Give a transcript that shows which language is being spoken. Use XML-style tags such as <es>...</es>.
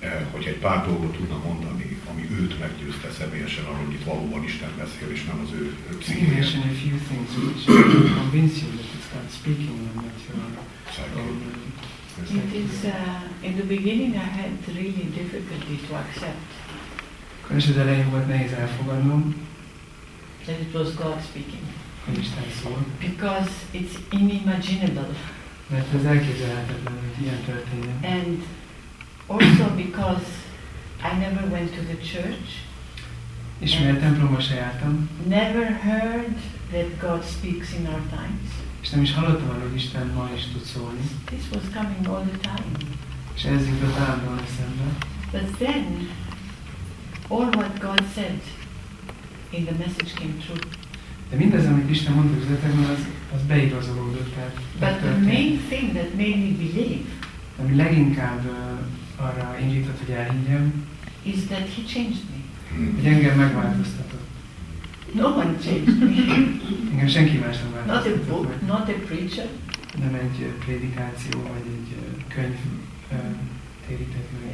<hu>Hogy egy pár dolgot tudna mondani, ami őt meggyőzte személyesen arról, hogy itt valóban Isten beszél, és nem az ő pszichéje.</hu> <en>A few things which convince you that it's God speaking and that you are... It is, in the beginning I had really difficulty to accept.</en> <hu>Kanyis az elején volt nehéz elfogadnom.</hu> <en>That it was God speaking.</en> <hu>Hogy Isten szól.</hu> <en>Because it's inimaginable.</en> <hu>Mert ez elképzelhetetlen, hogy ilyen történik.</hu> <en>And also because I never went to the church.</en> <hu>És mi a templomba se jártam.</hu> <en>Never heard that God speaks in our times.</en> <hu>És nem is hallottam, hogy Isten ma is tud szólni.</hu> <en>This was coming all the time.</en> <hu>És ez jutott állandóan eszembe.</hu> <en>But then, all what God said in the message came true.</en> <hu>De mindez, amit Isten mondott az üzenetben, az beigazolódott. Tehát,</hu> <en>but the main thing that made me believe.</en> <hu>Ami leginkább arra indított, hogy elhiggyem.</hu> <en>Is that he changed me.</en> <hu>Hogy engem megváltoztatott.</hu> <en>No one changed me.</en> <hu>Engem senki más nem változtatott.</hu> <en>Not a book,</en> <hu>meg.</hu> <en>Not a preacher.</en> <hu>Nem egy prédikáció, vagy egy könyv térített meg.</hu>